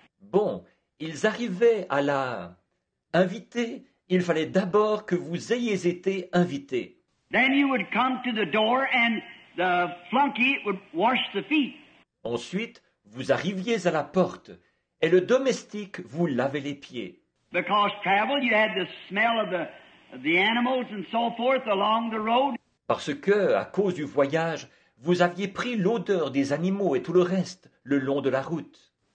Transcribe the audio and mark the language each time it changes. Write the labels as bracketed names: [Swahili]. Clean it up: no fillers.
[French] Bon, ils arrivaient à la invitée. Il fallait d'abord que vous ayez été invité. [English] Then you would come to the door and the flunky would wash the feet. [French] Ensuite, vous arriviez à la porte. Et le domestique vous lavait les pieds. [English] Because travel, you had the smell of the animals and so forth along the road. [French] Parce que, à cause du voyage, vous aviez pris l'odeur des animaux et tout le reste le long de la route.